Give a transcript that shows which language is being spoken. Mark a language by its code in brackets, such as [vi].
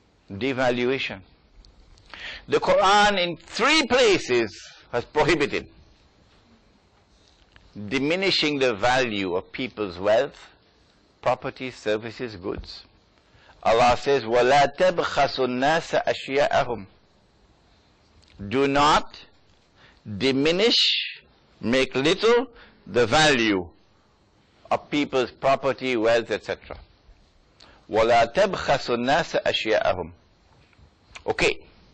[en] Devaluation. The Quran in 3 places has prohibited diminishing the value of people's wealth, property, services, goods. Allah says, [ar] وَلَا تَبْخَسُ النَّاسَ أَشْيَاءَهُمْ. [en] Do not diminish, make little, the value of people's property, wealth, etc. [ar] وَلَا تَبْخَسُ النَّاسَ أَشْيَاءَهُمْ. Okay.